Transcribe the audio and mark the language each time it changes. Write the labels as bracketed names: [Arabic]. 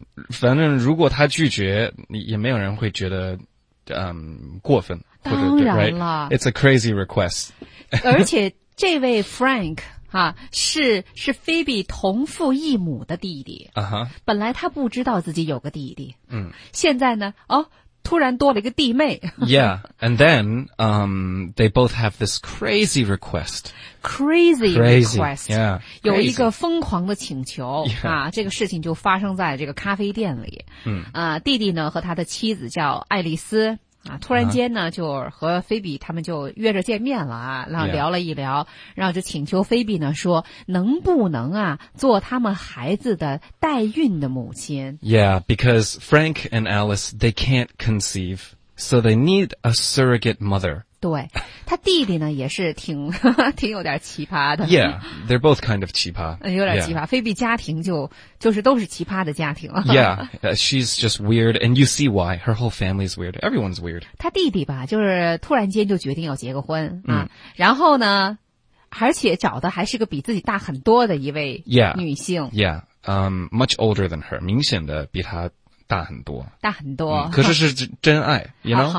[Chinese] 反正如果他拒绝也没有人会觉得过分。当然了。 [English] Right? It's a crazy request. [Chinese] 而且这位 Frank,啊、是菲比同父异母的弟弟、本来他不知道自己有个弟弟、现在呢、突然多了一个弟妹。 [English] Yeah, and then、they both have this crazy request. Crazy request. Yeah, crazy. [Chinese] 有一个疯狂的请求、这个事情就发生在这个咖啡店里、弟弟呢和他的妻子叫爱丽丝突然间呢、就和菲比他们就约着见面了然后聊了一聊、然后就请求菲比呢说能不能啊做他们孩子的代孕的母亲。 [English] Yeah, because Frank and Alice, they can't conceive, so they need a surrogate mother. [Chinese] 对，他弟弟呢也是挺挺有点奇葩的。 [English] Yeah, they're both kind of 奇葩。 [Chinese] 有点奇葩，菲比家庭就是都是奇葩的家庭。 [English] Yeah, she's just weird, and you see why. Her whole family's weird. Everyone's weird. [Chinese] 他弟弟吧，就是突然间就决定要结个婚然后呢，而且找的还是个比自己大很多的一位女性。 [English] Much older than her. [Chinese] 明显的比他大很多，大很多。可是是真爱， [English] you know?